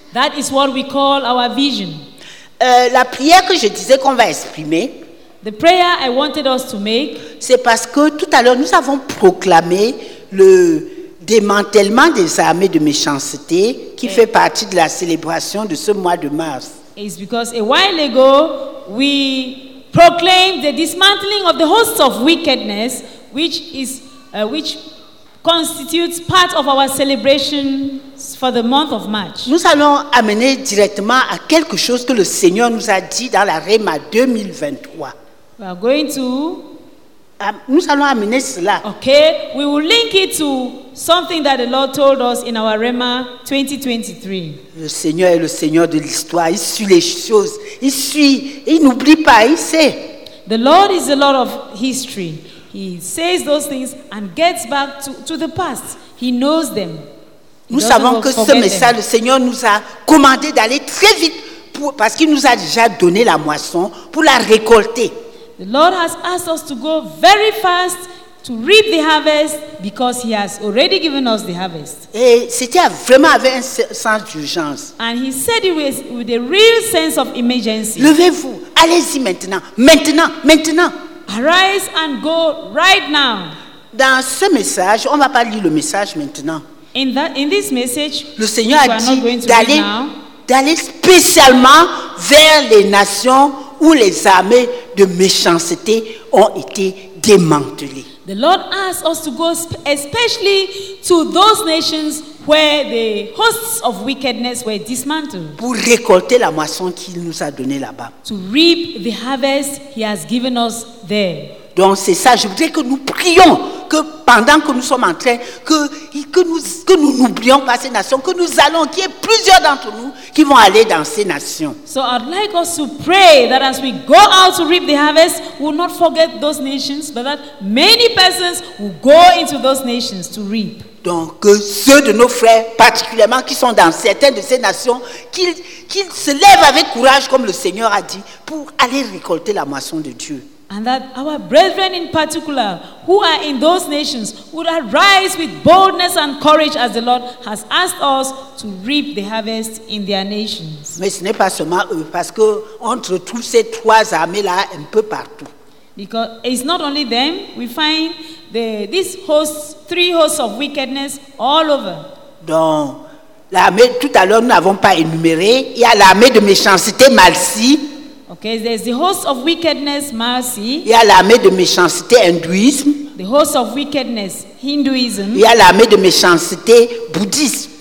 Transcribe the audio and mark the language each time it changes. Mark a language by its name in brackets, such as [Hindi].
[English] That is what we call our vision. [French] La prière que je disais qu'on va exprimer, [English] the prayer I wanted us to make, [French] c'est parce que tout à l'heure nous avons proclamé le démantèlement des armées de méchanceté qui fait partie de la célébration de ce mois de mars. [English] It's because a while ago we proclaimed the dismantling of the hosts of wickedness, which constitutes part of our celebration for the month of March. [French] Nous allons amener directement à quelque chose que le Seigneur nous a dit dans la Réma 2023. [English] We are going to. [French] Nous allons amener cela. [English] Okay, we will link it to something that the Lord told us in our Réma 2023. [French] Le Seigneur est le Seigneur de l'histoire. Il suit les choses. Il suit. Il n'oublie pas. Il sait. [English] The Lord is the Lord of history. He says those things and gets back to the past. He knows them. He [French] nous savons que ce message, [English] them. [French] Le Seigneur nous a commandé d'aller très vite pour, parce qu'il nous a déjà donné la moisson pour la récolter. [English] The Lord has asked us to go very fast to reap the harvest because he has already given us the harvest. [French] Et c'était vraiment avec un sens d'urgence. [English] And he said it with a real sense of emergency. [French] Levez-vous, allez-y maintenant, maintenant, maintenant. [English] Arise and go right now. [French] Dans ce message, on va pas lire le message maintenant. [English] In this message, [French] le Seigneur a dit d'aller spécialement vers les nations où les armées de méchanceté ont été démantelées. [English] The Lord asked us to go especially to those nations where the hosts of wickedness were dismantled. [French] Pour récolter la moisson qu'il nous a donnée là-bas. [English] To reap the harvest he has given us there. [French] Donc c'est ça, je voudrais que nous prions que pendant que nous sommes en train, que nous n'oublions pas ces nations, que nous allons, qu'il y ait plusieurs d'entre nous qui vont aller dans ces nations. [English] So I'd like us to pray that as we go out to reap the harvest, we'll not forget those nations, but that many persons will go into those nations to reap. [French] Donc, que ceux de nos frères, particulièrement qui sont dans certaines de ces nations, qu'ils se lèvent avec courage, comme le Seigneur a dit, pour aller récolter la moisson de Dieu. [English] And that our brethren in particular, who are in those nations, would arise with boldness and courage as the Lord has asked us to reap the harvest in their nations. [French] Mais ce n'est pas seulement eux, parce qu'entre toutes ces trois armées-là, un peu partout. [English] Because it's not only them, we find these hosts, three hosts of wickedness all over. [French] Donc, l'armée, tout à l'heure, nous n'avons pas énuméré. Il y a l'armée de méchanceté, Malsi. [English] Okay, there's the host of wickedness, Malsi. [French] Il y a l'armée de méchanceté, Hindouisme. [English] The host of wickedness, Hinduism. [French] Il y a l'armée de méchanceté, Bouddhisme.